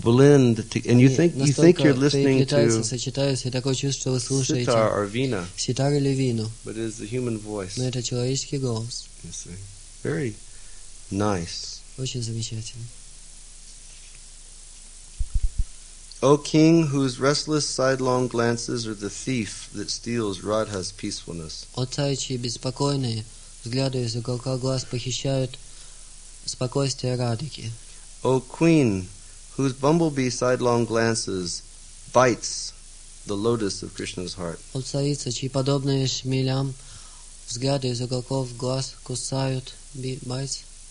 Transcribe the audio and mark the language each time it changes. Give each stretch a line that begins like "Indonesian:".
English: blend to, and you think you're listening to
Russian: сочетаются, и такое чувство, что вы слушаете
English: sitar or vina,
Russian: sitar или vina,
English: but it is the human voice.
Russian: Но это человеческий голос.
English: Very nice.
Russian: Очень замечательно.
English: O king, whose restless sidelong glances are the thief that steals Radha's peacefulness.
Russian: О царь, чьи беспокойные взгляды из уголка глаз похищают спокойствие Радхики.
English: O queen, whose bumblebee sidelong glances bites the lotus of Krishna's heart.
Russian: О царица, чьи подобные шмелям взгляды из уголков глаз кусают,
English: bites